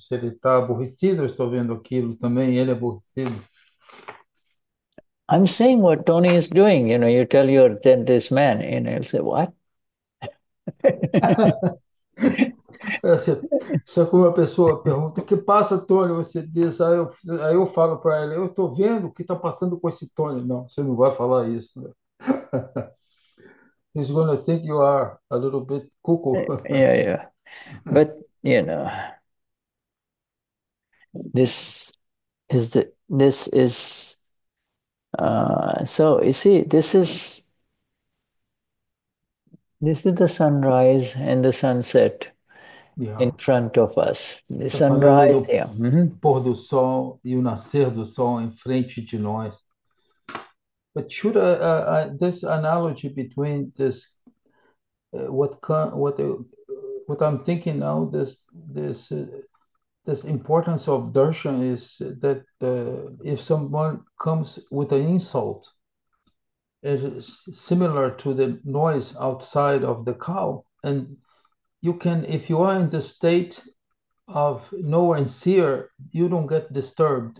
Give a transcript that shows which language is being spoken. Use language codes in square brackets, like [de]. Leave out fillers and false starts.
[pt] Se ele está aborrecido, eu estou vendo aquilo também. Ele é aborrecido. [en] I'm seeing what Tony is doing. You tell your then this man, and he'll say, "What?" [pt] Se uma pessoa pergunta, o que passa, Tony? Você diz, aí eu falo para ela, eu estou vendo o que está passando com esse Tony. Não, você não vai falar isso, né? [en] He's gonna think you are a little bit cuckoo. But you see, this is the sunrise and the sunset in front of us. The [pt] Está falando [en] sunrise, [pt] do pôr do sol e o nascer do sol em frente de nós. [en] But should this analogy between this what I'm thinking now, this importance of darshan is that if someone comes with an insult, it is similar to the noise outside of the cow, and you can, if you are in the state of knower and seer, you don't get disturbed.